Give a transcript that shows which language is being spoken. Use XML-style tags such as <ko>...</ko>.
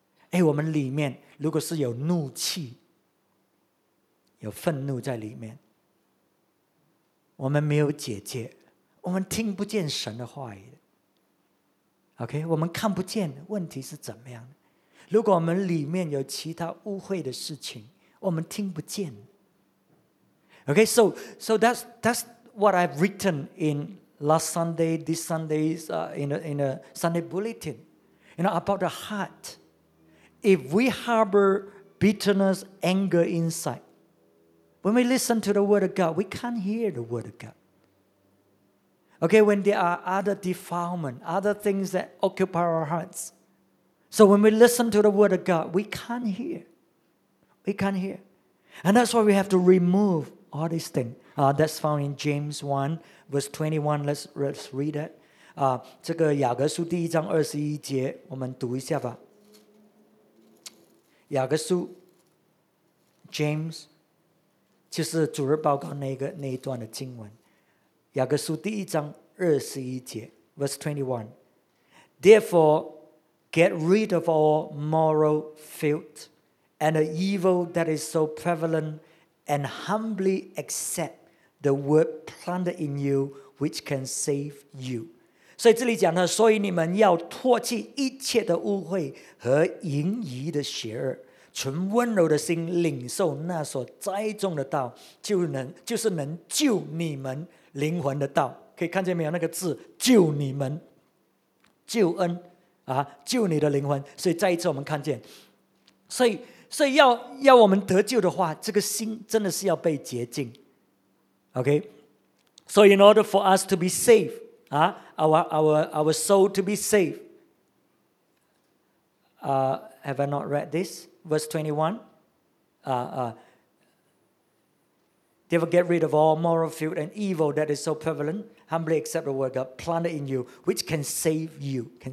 <zh>哎，我们里面如果是有怒气，有愤怒在里面，我们没有解决，我们听不见神的话语。 OK， 我们看不见问题是怎么样的。如果我们里面有其他污秽的事情，我们听不见。</zh> <en>OK， so that's what I've written in last Sunday, this Sunday's in a Sunday bulletin, you know, about the heart. If we harbor bitterness, anger inside, when we listen to the word of God, we can't hear the word of God. Okay, when there are other defilement, other things that occupy our hearts. So when we listen to the word of God, we can't hear. We can't hear. And that's why we have to remove all these things. That's found in James 1, verse 21. Let's read it.</en> <zh>这个雅各书第一章二十一节，我们读一下吧。雅各书 ，James， 就是主日报告那一段的经文。雅各书第一章二十一节 ，</zh> <en>verse 21. Therefore, get rid of all moral filth and the evil that is so prevalent, and humbly accept. The word planted in you, which can save you.</en> <zh>所以这里讲的，所以你们要脱去一切的污秽和淫仪的邪恶，存温柔的心，领受那所栽种的道，就是能救你们灵魂的道。可以看见没有？那个字，救你们，救恩啊，救你的灵魂。所以再一次，我们看见，所以要我们得救的话，这个心真的是要被洁净。</zh> <en>Okay, so in order for us to be saved, our soul to be saved, have I not read this? Verse 21, therefore get rid of all moral filth and evil that is so prevalent, humbly accept the word God planted in you, which can save you.</en>